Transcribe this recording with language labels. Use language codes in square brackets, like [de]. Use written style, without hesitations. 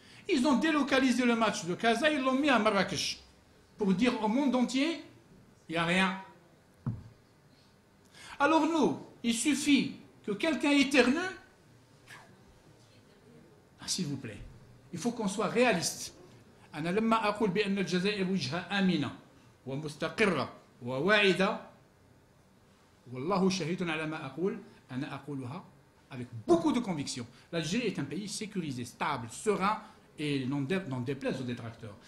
[fr] Ils ont délocalisé le match de Casa, ils l'ont mis à Marrakech pour dire au monde entier, il n'y a rien. Alors nous, il suffit que quelqu'un éternue. Ah, s'il vous plaît, il faut qu'on soit réaliste. [ar] أنا لما أقول بأن الجزائر وجهة آمنة ومستقرة وواعدة والله شهيد على ما أقول أنا أقولها [fr] avec beaucoup de conviction. L'Algérie est un pays sécurisé, stable, serein et n'en déplaise aux détracteurs.